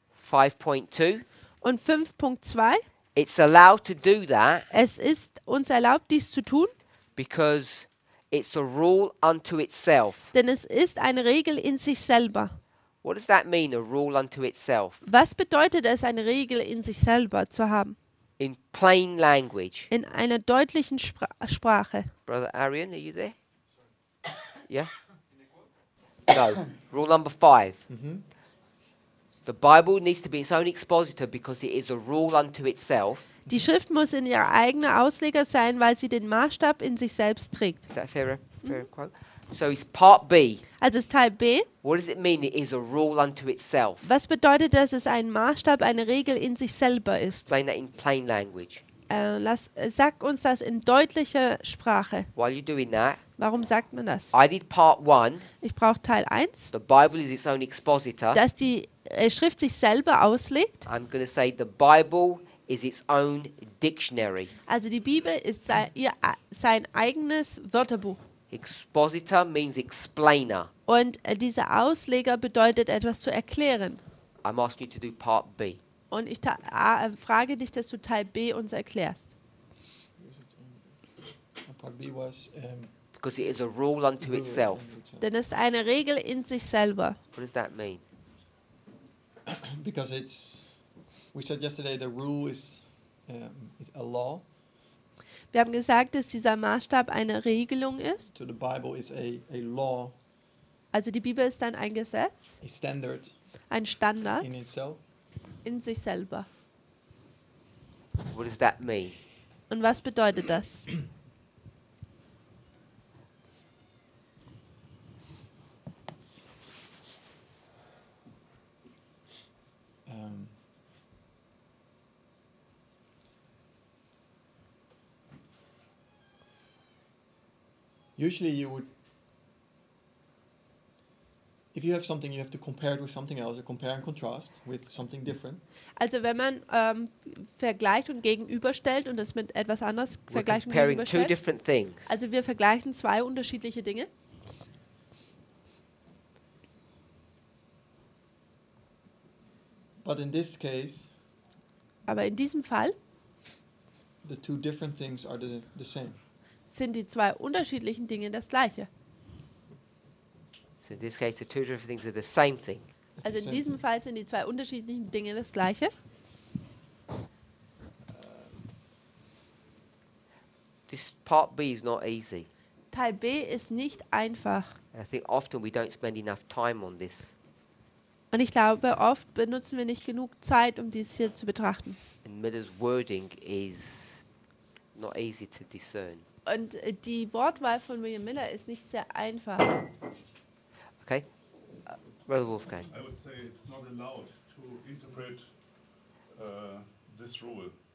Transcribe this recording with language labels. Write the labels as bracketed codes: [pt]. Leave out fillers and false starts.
[en] 5.2. [de] Und 5.2. [en] It's allowed to do that. [de] Es ist uns erlaubt, dies zu tun. [en] Because it's a rule unto itself. [de] Denn es ist eine Regel in sich selber. [en] What does that mean, a rule unto itself? [de] Was bedeutet es, eine Regel in sich selber zu haben? [en] In plain language. [de] In einer deutlichen Sprache. [en] Brother Arian, are you there? Yeah? No. Rule number 5. The Bible needs to be its own expositor because it is a rule unto itself. [de] Die Schrift muss in ihrer eigenen Ausleger sein, weil sie den Maßstab in sich selbst trägt. [en] Is that fair quote? So it's part B. [de] Also ist Teil B. [en] What does it mean? It is a rule unto itself. [de] Was bedeutet, dass es ein Maßstab, eine Regel in sich selber ist? [en] Explain that in plain language. [de] Sag uns das in deutlicher Sprache. [en] While you're doing that, [de] warum sagt man das? [en] I did part one. [de] Ich brauche Teil 1. [en] The Bible is its own expositor. [de] Dass die Schrift sich selber auslegt. [en] I'm going to say the Bible is its own dictionary. [de] Also die Bibel ist sein eigenes Wörterbuch. [en] Expositor means explainer. [de] Und dieser Ausleger bedeutet etwas zu erklären. [en] I'm asking you to do part B. [de] Und ich frage dich, dass du Teil B uns erklärst. [en] Part B was, because it is a rule unto itself. [de] Denn es ist eine Regel in sich selber. [en] What does that mean? Because it's, we said yesterday, the rule is a law. [de] Wir haben gesagt, dass dieser Maßstab eine Regelung ist. [en] So the Bible is a law. [de] Also die Bibel ist dann ein Gesetz. [en] A standard. [de] Ein Standard. [en] In itself. [de] In sich selber. [en] What does that mean? [de] Und was bedeutet das? [en] Usually you would, if you have something, you have to compare it with something else, or compare and contrast with something different. [de] Also wenn man vergleicht und gegenüberstellt und das mit etwas anderes vergleicht und gegenüberstellt. [en] We're comparing two different things. [de] Also wir vergleichen zwei unterschiedliche Dinge. Um, [en] But in this case, [de] aber in diesem Fall, [en] the two different things are the same. [de] Sind die zwei unterschiedlichen Dinge das gleiche? [en] So in this case, the two different things are the same thing. [de] Also in diesem Fall sind die zwei unterschiedlichen Dinge das gleiche. [en] This part B is not easy. [de] Teil B ist nicht einfach. [en] And I think often we don't spend enough time on this. [de] Und ich glaube, oft benutzen wir nicht genug Zeit, um dies hier zu betrachten. [en] And Miller's wording is not easy to discern. [de] Und die Wortwahl von William Miller ist nicht sehr einfach. [en] Okay. Brother Wolfgang. I would say it's not allowed to interpret this rule.